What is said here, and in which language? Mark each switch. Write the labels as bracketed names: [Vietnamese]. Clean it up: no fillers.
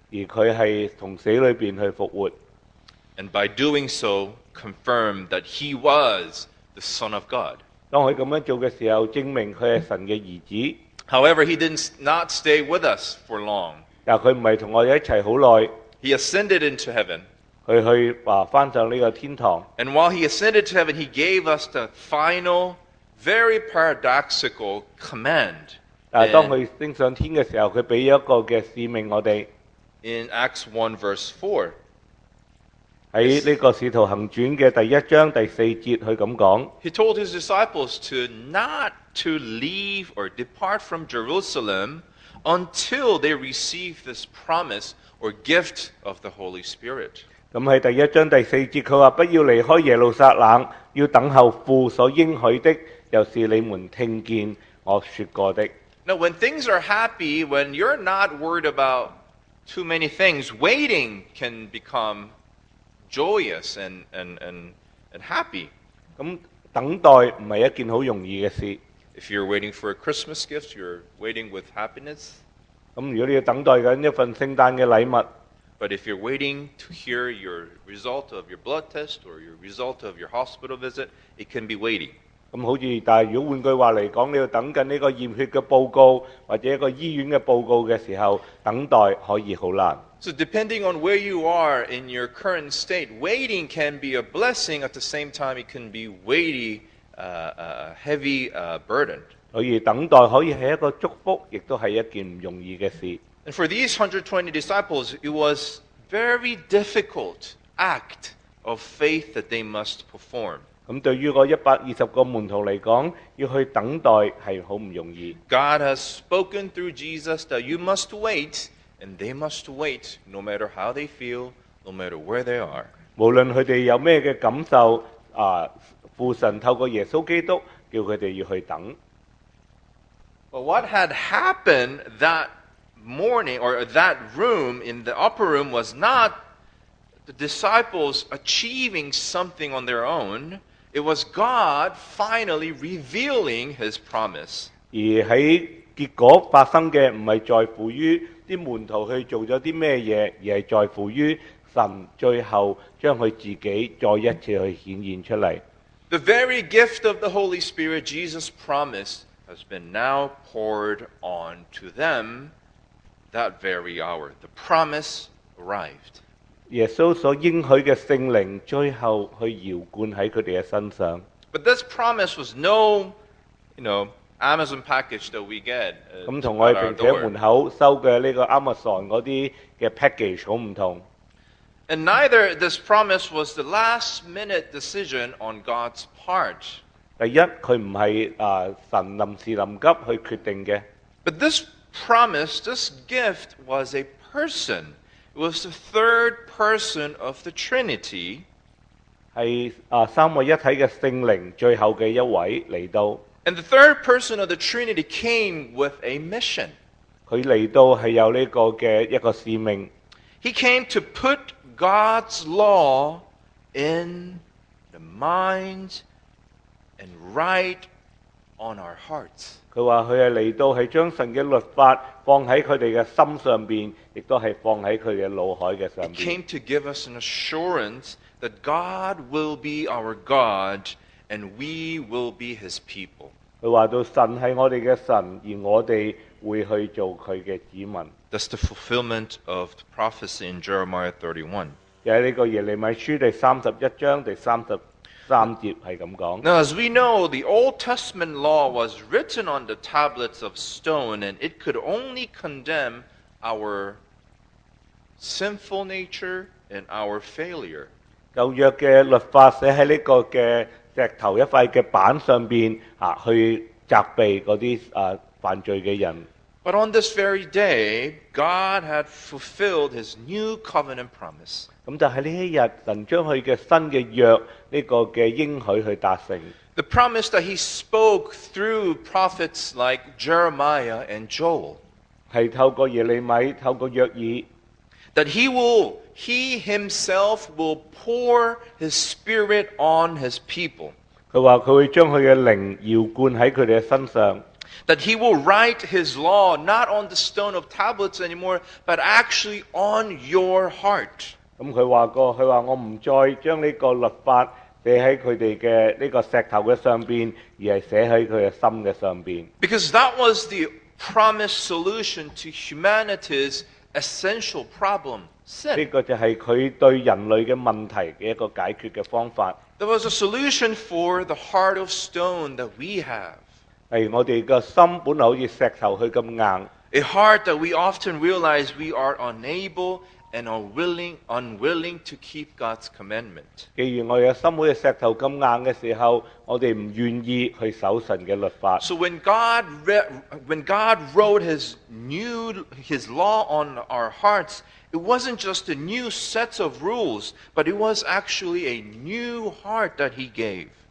[Cantonese] 而佢系从死里边去复活。 [English] And by doing so, confirmed that he was the Son of God。 [Cantonese] 当佢咁样做嘅时候，证明佢系神嘅儿子。 [English] However, he did not stay with us for long. [Cantonese] 但佢唔系同我哋一齐好耐。 [English] He ascended into heaven. [Cantonese] 佢去啊翻上呢个天堂。 [English] And while he ascended to heaven, he gave us the final, very paradoxical command. [Cantonese] 但系当佢升上天嘅时候，佢俾一个嘅使命我哋。 [English] In Acts 1 verse 4. [Cantonese] 喺呢个使徒行传嘅第一章第四节，佢咁讲。 [English] He told his disciples to not to leave or depart from Jerusalem until they receive this promise or gift of the Holy Spirit. [Cantonese] 咁喺第一章第四节，佢话不要离开耶路撒冷，要等候父所应许的，又是你们听见我说过的。 [English] Now, when things are happy, when you're not worried about too many things, waiting can become joyous and happy. [Cantonese] 咁等待唔系一件好容易嘅事。 [English] If you're waiting for a Christmas gift, you're waiting with happiness. [Cantonese] 咁如果你要等待緊一份聖誕嘅禮物 [English] ，But if you're waiting to hear your result of your blood test or your result of your hospital visit, it can be waiting. [Cantonese] 咁好似，但係如果換句話嚟講，你要等緊呢個驗血嘅報告或者一個醫院嘅報告嘅時候，等待可以好難。 [English] So depending on where you are in your current state, waiting can be a blessing. At the same time, it can be weighty. Heavy burden. [Cantonese] 所以等待可以是一个祝福，亦都是一件不容易的事。 [English] And for these 120 disciples, it was very difficult act of faith that they must perform. [Cantonese] 咁对于个120个门徒来讲，要去等待是好不容易。 [English] God has spoken through Jesus that you must wait, and they must wait, no matter how they feel, no matter where they are. [Cantonese] 无论他们有什么感受啊。父神透过耶稣基督叫他们要去等。 [English] But what had happened that morning or that room in the upper room was not the disciples achieving something on their own. It was God finally revealing his promise. [Cantonese] 而在结果发生的不是在乎于门徒去做了什么事，而是在乎于神最后将他自己再一次去显现出来。 [English] The very gift of the Holy Spirit Jesus promised has been now poured on to them that very hour. The promise arrived. [Cantonese] 耶稣所应许的圣灵最后去浇灌在他们的身上。 [English] But this promise was no, you know, Amazon package that we get. [Cantonese] 咁同我哋平时门口收嘅呢个 Amazon 嗰啲嘅 package 好唔同。 [English] And neither this promise was the last minute decision on God's part. [Cantonese] 第一，佢唔係神臨時臨急去決定嘅。 [English] But this promise, this gift was a person. It was the third person of the Trinity. [Cantonese] 係三位一體嘅聖靈最後嘅一位嚟到。 [English] And the third person of the Trinity came with a mission. [Cantonese] 佢嚟到係有呢個嘅一個使命。 [English] He came to put God's law in the minds and write on our hearts. [Cantonese] 佢話佢係嚟到係將神嘅律法放喺佢哋嘅心上邊，亦都係放喺佢嘅腦海嘅上邊。 [English] He came to give us an assurance that God will be our God and we will be His people. [Cantonese] 佢話到神係我哋嘅神，而我哋會去做佢嘅子民。 [English] That's the fulfillment of the prophecy in Jeremiah 31. [Cantonese] 就係呢個耶利米書第三十一章第三十三節係咁講。 [English] Now, as we know, the Old Testament law was written on the tablets of stone, and it could only condemn our sinful nature and our failure. [Cantonese] 舊約嘅律法寫喺呢個嘅石頭一塊嘅板上邊啊，去責備嗰啲犯罪嘅人。 [English] But on this very day, God had fulfilled His new covenant promise. [Cantonese] 咁就喺呢一日，神將佢嘅新嘅約呢個嘅應許去達成。 [English] The promise that He spoke through prophets like Jeremiah and Joel. [Cantonese] 係透過耶利米，透過約珥。 [English] That He will, He Himself will pour His Spirit on His people. [Cantonese] 佢話佢會將佢嘅靈澆灌喺佢哋嘅身上。 [English] That He will write His law not on the stone of tablets anymore, but actually on your heart. [Cantonese] 咁佢話過，佢話我唔再將呢個律法寫喺佢哋嘅呢個石頭嘅上邊，而係寫喺佢嘅心嘅上邊。 [English] Because that was the promised solution to humanity's essential problem, sin. [Cantonese] 呢個就係佢對人類嘅問題嘅一個解決嘅方法。 [English] There was a solution for the heart of stone that we have. [Cantonese] 我哋嘅心本来好似石头去咁硬。 [English] A heart that we often realize we are unable and unwilling to keep God's commandment. [Cantonese] 既然我哋嘅心好似石头咁硬嘅时候，我哋唔愿意去守神嘅律法。 [English] So when God wrote His law on our hearts, it wasn't just a new set of rules, but it was actually a new heart that He gave.